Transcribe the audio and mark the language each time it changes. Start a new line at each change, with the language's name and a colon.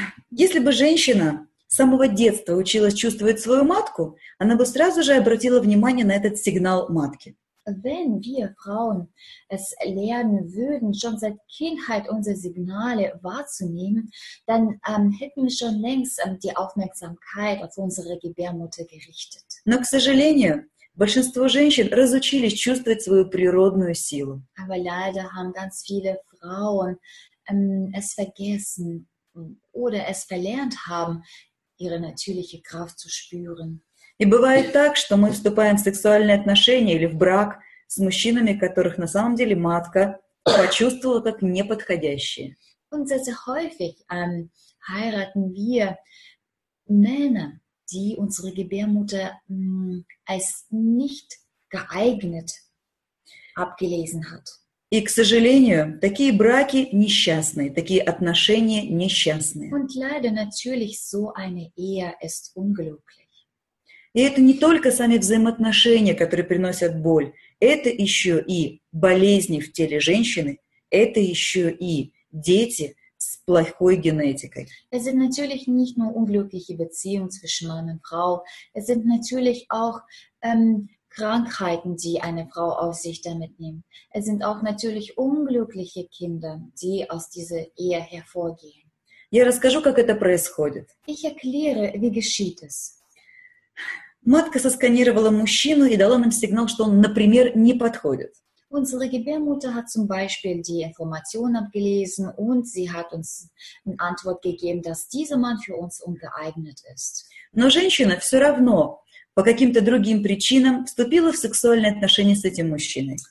Russian: Если бы женщина с самого детства училась чувствовать свою матку, она бы сразу же обратила внимание на этот сигнал матки.
German: Wenn wir Frauen es lernen würden, schon seit Kindheit unsere Signale wahrzunehmen, dann hätten wir schon längst die Aufmerksamkeit auf unsere Gebärmutter gerichtet.
Russian: Но, к сожалению, большинство женщин разучились чувствовать свою природную силу.
German: Aber leider haben ganz viele Frauen es vergessen oder es verlernt haben, ihre natürliche Kraft zu spüren.
Russian: И бывает так, что мы вступаем в сексуальные отношения или в брак с мужчинами, которых на самом деле матка почувствовала как неподходящие.
German: Und sehr häufig heiraten wir Männer, die unsere Gebärmutter als nicht geeignet abgelesen hat.
Russian: И, к сожалению, такие браки несчастные, такие отношения несчастные.
German: Und leider natürlich so eine Ehe ist unglücklich.
Russian: И это не только сами взаимоотношения, которые приносят боль, это еще и болезни в теле женщины, это еще и дети с плохой генетикой.
German: Es sind natürlich nicht nur unglückliche Beziehungen zwischen Mann und Frau, es sind natürlich auch Krankheiten, die eine Frau auf sich damit nehmen. Es sind auch natürlich unglückliche Kinder, die aus dieser Ehe hervorgehen.
Russian: Я расскажу, как это происходит.
German: Ich erkläre, wie geschieht es.
Russian: Матка сосканировала мужчину и дала нам сигнал, что он, например, не подходит.
German: Unsere Gebärmutter hat zum Beispiel die Information abgelesen und sie hat uns eine Antwort gegeben, dass dieser Mann für uns ungeeignet ist.
Russian: Но женщина все равно по каким-то другим причинам вступила в сексуальные отношения с этим мужчиной.